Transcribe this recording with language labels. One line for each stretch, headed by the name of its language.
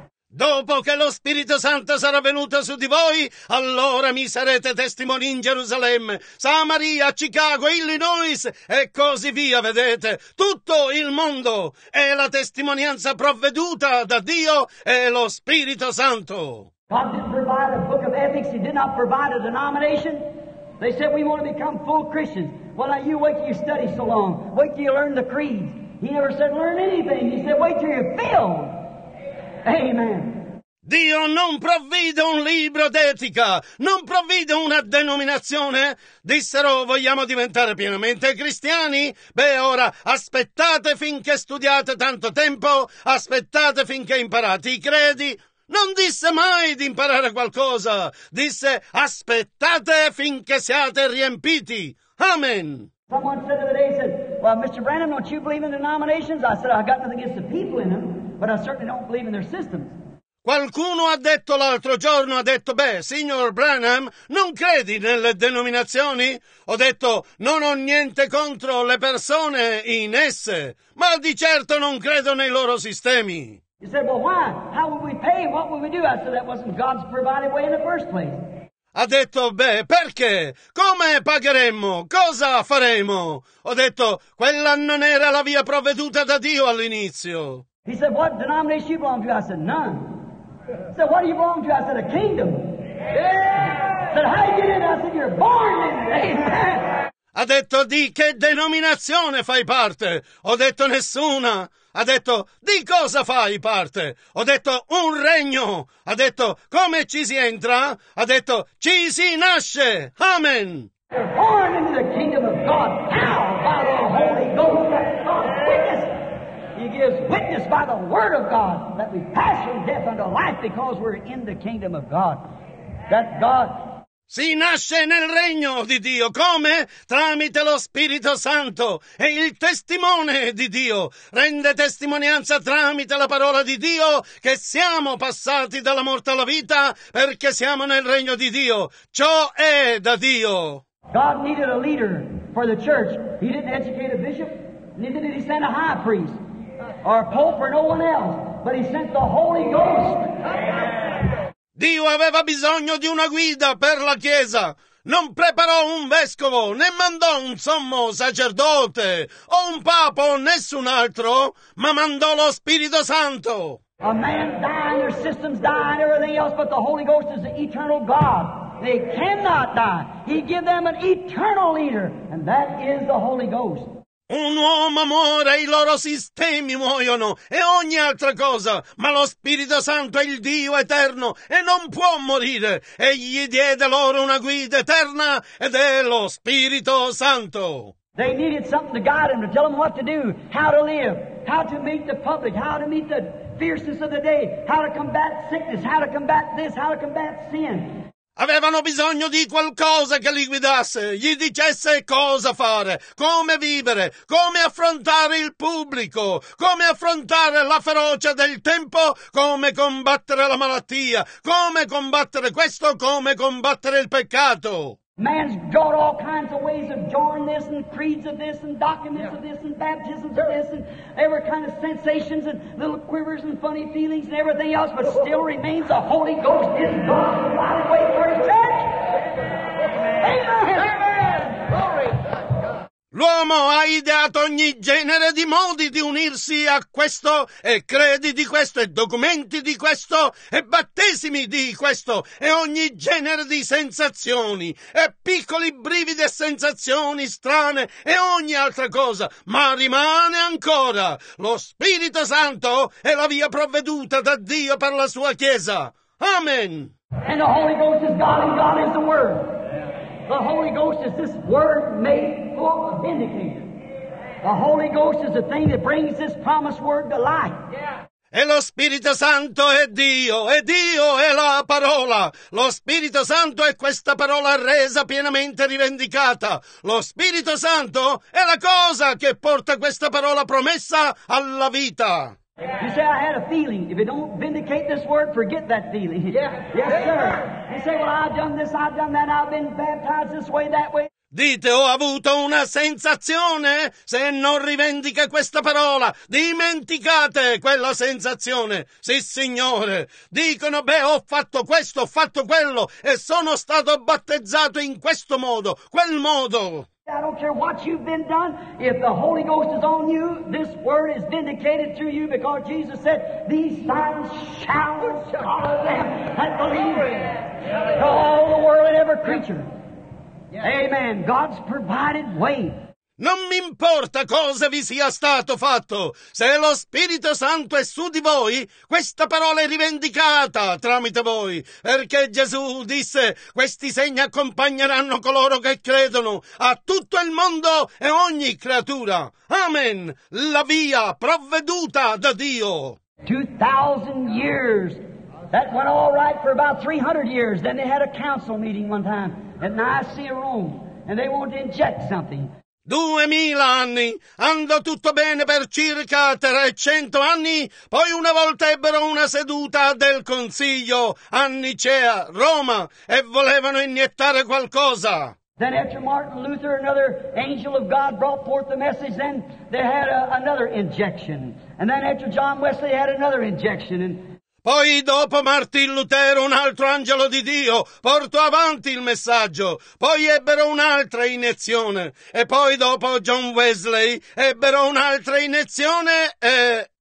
Italian: Dopo che lo Spirito Santo sarà venuto su di voi, allora mi sarete testimoni in Gerusalemme, Samaria, Chicago, Illinois e così via, vedete, tutto il mondo è la testimonianza provveduta da Dio e lo Spirito Santo.
English: God didn't provide a book of ethics, he did not provide a denomination. They said we want to become full Christians. Well, now you wait till you study so long, wait till you learn the creeds. He never said learn anything, he said wait till you feel. Amen.
Italian: Dio non provvide un libro d'etica, non provvide una denominazione. Dissero, vogliamo diventare pienamente cristiani? Beh, ora, aspettate finché studiate tanto tempo, aspettate finché imparate i credi. Non disse mai di imparare qualcosa, disse, aspettate finché siate riempiti. Amen.
English: Someone said the other day, said, well, Mr. Branham, don't you believe in denominations? I said, I've got nothing against the people in them, but I certainly don't believe in their systems.
Italian: Qualcuno ha detto l'altro giorno, ha detto, beh, signor Branham, non credi nelle denominazioni? Ho detto, non ho niente contro le persone in esse, ma di certo non credo nei loro sistemi.
English: He said, well, why? How would we pay? What would we do? I said, that wasn't God's provided way in the first place.
Italian: Ha detto, beh, perché? Come pagheremmo? Cosa faremo? Ho detto, quella non era la via provveduta da Dio all'inizio.
English: He said, what denomination you belong to? I said, none. He said, what do you belong to? I said, a kingdom. Yeah. He said, how you get in? I said, you're born in it. Amen.
Italian: Ha detto, di che denominazione fai parte? Ho detto, nessuna. Ha detto, di cosa fai parte? Ho detto, un regno. Ha detto, come ci si entra? Ha detto, ci si nasce. Amen.
English: You're born into the kingdom of God. How? By the Holy Ghost. God's witness. He gives witness by the word of God that we pass from death unto life because we're in the kingdom of God. That God...
Italian: Si nasce nel regno di Dio, come? Tramite lo Spirito Santo e il testimone di Dio. Rende testimonianza tramite la parola di Dio che siamo passati dalla morte alla vita perché siamo nel regno di Dio. Ciò è da Dio.
English: God needed a leader for the church. He didn't educate a bishop, neither did he send a high priest or a pope or no one else, but he sent the Holy Ghost.
Italian: Dio aveva bisogno di una guida per la Chiesa. Non preparò un vescovo, né mandò un sommo sacerdote, o un papa, o nessun altro, ma mandò lo Spirito Santo.
English: A man die, their systems die, and everything else, but the Holy Ghost is the eternal God. They cannot die. He give them an eternal leader, and that is the Holy Ghost.
Italian: Un uomo muore, i loro sistemi muoiono, e ogni altra cosa, ma lo Spirito Santo è il Dio eterno, e non può morire. Egli diede loro una guida eterna, ed è lo Spirito Santo.
English: They needed something to guide them, to tell them what to do, how to live, how to meet the public, how to meet the fierceness of the day, how to combat sickness, how to combat this, how to combat sin.
Italian: Avevano bisogno di qualcosa che li guidasse, gli dicesse cosa fare, come vivere, come affrontare il pubblico, come affrontare la ferocia del tempo, come combattere la malattia, come combattere questo, come combattere il peccato.
English: Man's got all kinds of ways of joining this and creeds of this and documents of this and baptisms of this and every kind of sensations and little quivers and funny feelings and everything else, but still remains the Holy Ghost is God's divine way for his church. Amen. Amen. Amen. Amen. Glory.
Italian: L'uomo ha ideato ogni genere di modi di unirsi a questo, e credi di questo, e documenti di questo, e battesimi di questo, e ogni genere di sensazioni, e piccoli brividi e sensazioni strane, e ogni altra cosa, ma rimane ancora lo Spirito Santo e la via provveduta da Dio per la sua Chiesa. Amen!
English: And the Holy Ghost is God, and God is the Word. The Holy Ghost is this Word made full of vindicator. The Holy Ghost is the thing that brings this promised Word to life. Yeah.
Italian: E lo Spirito Santo è Dio, e Dio è la parola. Lo Spirito Santo è questa parola resa pienamente rivendicata. Lo Spirito Santo è la cosa che porta questa parola promessa alla vita.
English: You say, I had a feeling. If you don't vindicate this word, forget that feeling. Yeah. Yes, sir. You say, well, I've done this, I've done that, I've been baptized this way, that way.
Italian: Dite, ho avuto una sensazione? Se non rivendica questa parola, dimenticate quella sensazione. Sì, signore. Dicono, beh, ho fatto questo, ho fatto quello, e sono stato battezzato in questo modo, quel modo.
English: I don't care what you've been done. If the Holy Ghost is on you, this word is vindicated through you, because Jesus said, these signs shall follow them that believe to all the world and every creature. Amen. God's provided way.
Italian: Non mi importa cosa vi sia stato fatto, se lo Spirito Santo è su di voi, questa parola è rivendicata tramite voi, perché Gesù disse, questi segni accompagneranno coloro che credono, a tutto il mondo e ogni creatura. Amen! La via provveduta da Dio.
English: 2,000 years, that went all right for about 300 years, then they had a council meeting one time, at Nicaea, Rome, and they wanted to inject something.
Italian: 2,000 anni, andò tutto bene per circa 300 anni, poi una volta ebbero una seduta del consiglio a Nicea, Roma, e volevano iniettare qualcosa.
English: Then after Martin Luther, another angel of God brought forth the message, then they had another injection. And then after John Wesley had another injection. And
Italian: poi dopo Martin Lutero, un altro angelo di Dio, portò avanti il messaggio. Poi ebbero un'altra iniezione. E poi dopo John Wesley, ebbero un'altra iniezione e...